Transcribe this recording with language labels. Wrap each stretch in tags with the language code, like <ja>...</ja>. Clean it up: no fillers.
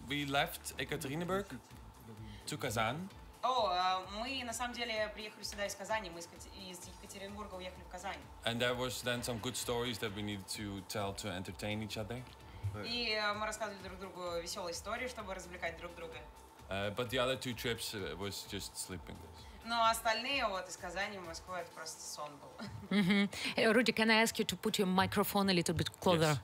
<en>We left Екатеринбург to Kazan.</en> <ru>Мы на самом деле приехали сюда из Казани, мы из Екатеринбурга уехали в Казань.</ru> <en>And there was then some good stories that we needed to tell to entertain each other.</en> <ru>И мы рассказывали друг другу веселые истории, чтобы развлекать друг друга.</ru> <en>But the other two trips was just sleeping.</en> <ru>Но остальные вот из Казани в Москву это просто сон был.</ru> <en>Руди, can I ask you to put your microphone a little bit closer?</en>